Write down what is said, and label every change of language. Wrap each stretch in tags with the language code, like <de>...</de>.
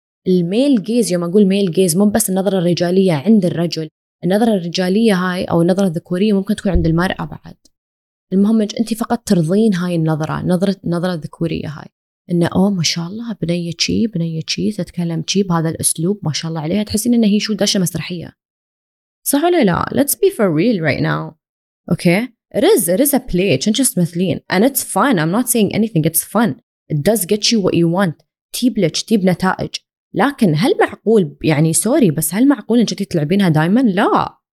<ar>الميل gaze، يوم أقول male gaze مو بس النظرة الرجالية عند الرجل، النظرة الرجالية هاي أو النظرة الذكورية ممكن تكون عند المرأة بعد. المهم أنت فقط ترضين هاي النظرة، نظرة الذكورية هاي، إنه أوه ما شاء الله بنية شي، بنية شي تتكلم شي بهذا الأسلوب، ما شاء الله عليها، تحسين إن هي شو داشة مسرحية، صح ولا لا؟</ar> <en>Let's be for real right now. Okay. It is a play. It's just</en> <ar>مثلين.</ar> <en>And it's fun. I'm not saying anything. It's fun. It does get you what you want.</en> <ar>تيب لك، تيب نتائج. لكن هل معقول، يعني سوري بس هل معقول إن جتي تلعبينها دايما؟ لا.</ar>